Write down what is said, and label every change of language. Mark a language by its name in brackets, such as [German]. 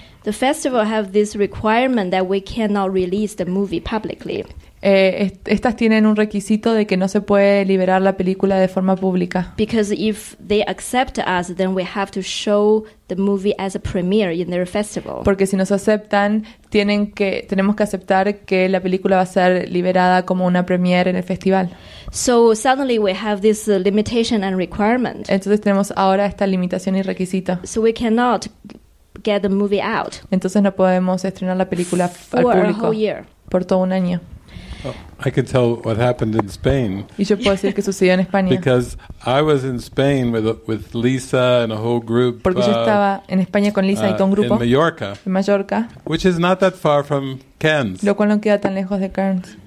[English] the festival have this requirement that we cannot release the movie publicly. [Spanish] Estas tienen un requisito de que no se puede liberar la película de forma pública. [English] Because if they accept us, then we have to show the movie as a premiere in their festival. [Spanish] Porque si nos aceptan, tenemos que aceptar que la película va a ser liberada como una premiere en el festival. [English] So suddenly we have this limitation and requirement. [Spanish] Entonces tenemos ahora esta limitación y requisito. [English] So we cannot get the movie out. [Spanish] Entonces no podemos estrenar la película al público por todo un año. [English] Oh, I can tell what happened in Spain. [Spanish] Y yo puedo decir qué sucedió en España. [English] Because I was in Spain with Lisa and a whole group. [Spanish] Porque yo estaba en España con Lisa y con un grupo. [English] In Mallorca. [Spanish] En Mallorca. [English] Which is not that far from Cairns. [Spanish] Lo cual no queda tan lejos de Cairns.